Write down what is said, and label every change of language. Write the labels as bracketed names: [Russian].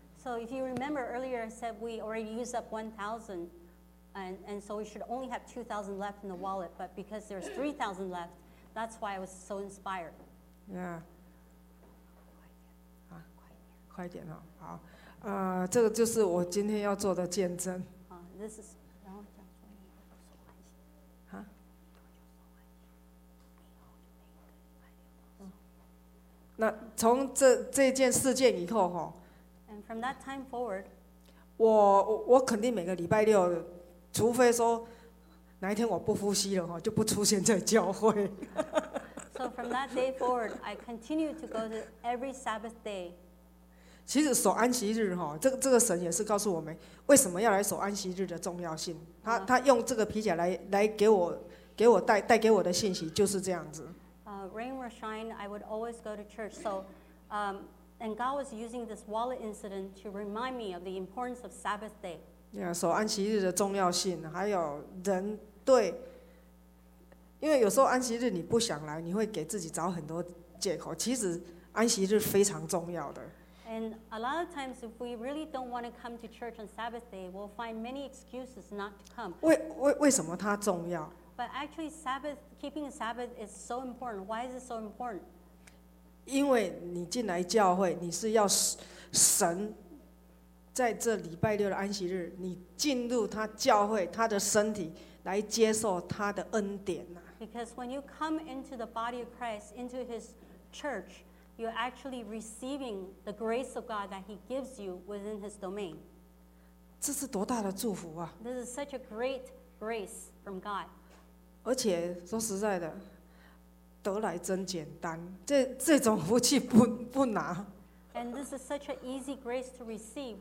[English] So if you remember earlier, I said we already used up 1,000, and so we should only have 2,000 left in the wallet. But because there's 3,000 left, that's why I was so inspired. [Chinese] Yeah. 啊，快点哦，好，这个就是我今天要做的见证。 [English] This is. [Chinese] 那从 这件事件以后 [English] And from that time forward, [Chinese] 我肯定每个礼拜六，除非说哪一天我不呼吸了，就不出现在教会。 [English] So from that day forward, I continue to go to every Sabbath day. [Chinese] 其实守安息日，这个神也是告诉我们为什么要来守安息日的重要性。他用这个皮甲 来给我 带给我的信息就是这样子。 [English] Rain or shine, I would always go to church. So, and God was using this wallet incident to remind me of the importance of Sabbath day. [Chinese] Yeah, 守安息日的重要性，还有人对，因为有时候安息日你不想来，你会给自己找很多借口。其实安息日非常重要的。 [English] And a lot of times, if we really don't want to come to church on Sabbath day, we'll find many excuses not to come. [Chinese] 为什么它重要？ [English] But actually, Sabbath, keeping a Sabbath is so important. Why is it so important? [Chinese] 因为你进来教会，你是要神在这礼拜六的安息日，你进入他教会，他的身体来接受他的恩典呐。 [English] Because when you come into the body of Christ, into His church, you're actually receiving the grace of God that He gives you within His domain. [Chinese] 这是多大的祝福啊！ [English] This is such a great grace from God. [Chinese] 而且说实在的，得来真简单，这种福气不拿。 [English] And this is such an easy grace to receive.